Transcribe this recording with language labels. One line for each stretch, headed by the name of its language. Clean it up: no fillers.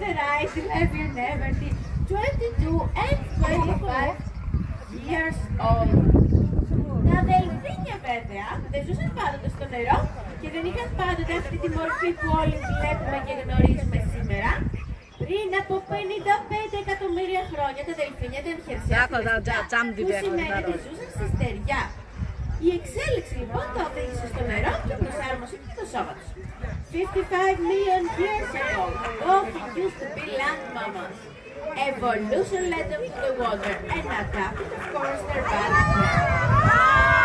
English: Years old. Now the thing about
Greek: βέβαια, δεν ζούσαν πάντοτε στο νερό και δεν είχαν πάντοτε αυτή τη μορφή που όλοι βλέπουμε και γνωρίζουμε σήμερα. Πριν από 55 εκατομμύρια χρόνια τα δελφίνια ήταν χερσαία, που σημαίνει ότι ζούσαν στη στεριά. Η εξέλιξη λοιπόν το οδήγησε στο νερό και προσάρμοσε και το σώμα τους.
English: 55 million years ago, dolphin used to be land mammals. Evolution led them to the water and adapted, of course, their balance.